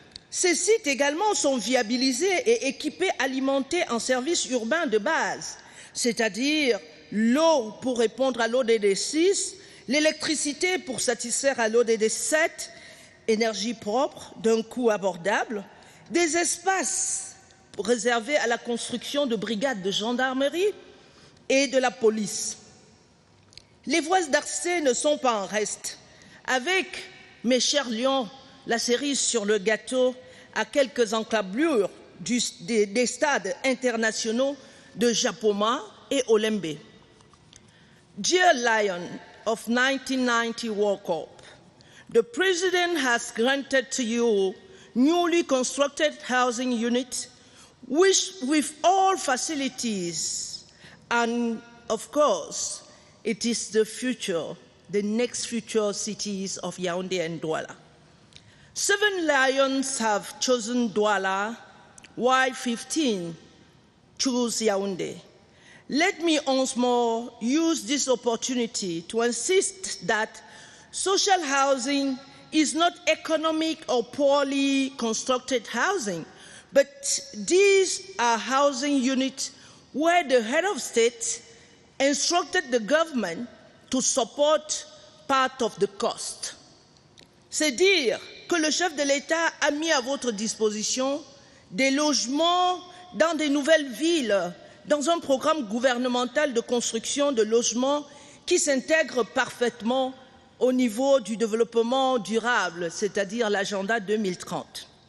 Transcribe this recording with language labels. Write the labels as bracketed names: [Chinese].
[French] Ces sites également sont viabilisés et équipés, alimentés en services urbains de base, c'est-à-dire l'eau pour répondre à l'ODD6, l'électricité pour satisfaire à l'ODD7, énergie propre d'un coût abordable, des espaces réservé à la construction de brigades de gendarmerie et de la police. Les voies d'accès ne sont pas en reste. Avec, mes chers lions, la cerise sur le gâteau à quelques enclablures des stades internationaux de Japoma, et Olembe. [English] Dear Lion of 1990 World Cup, the President has granted to you newly constructed housing unit, which with all facilities, and of course, it is the future, the next future cities of Yaoundé and Douala. Seven lions have chosen Douala, while 15 choose Yaoundé. Let me once more use this opportunity to insist that social housing is not economic or poorly constructed housing, but these are housing units where the head of state instructed the government to support part of the cost. [French] C'est dire que le chef de l'État a mis à votre disposition des logements dans des nouvelles villes, dans un programme gouvernemental de construction de logements qui s'intègre parfaitement au niveau du développement durable, c'est-à-dire l'agenda 2030.